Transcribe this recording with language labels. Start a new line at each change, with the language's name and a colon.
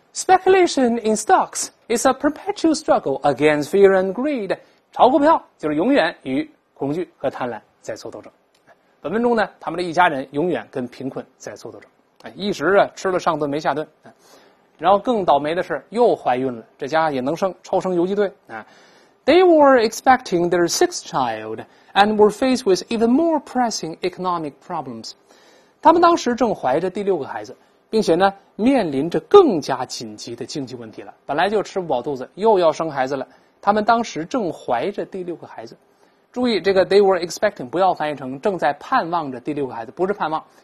English: Speculation in stocks is a perpetual struggle against fear and greed。
Chinese: 炒股票就是永远与恐惧和贪婪在做斗争。本文中呢，他们的一家人永远跟贫困在做斗争，一时啊吃了上顿没下顿，然后更倒霉的是又怀孕了，这家也能生，超生游击队啊。
English: They were expecting their sixth child and were faced with even more pressing economic problems。
Chinese: 他们当时正怀着第六个孩子，并且呢面临着更加紧急的经济问题了。本来就吃不饱肚子，又要生孩子了。他们当时正怀着第六个孩子。注意这个
English: they were expecting
Chinese: 不要翻译成正在盼望着第六个孩子，不是盼望。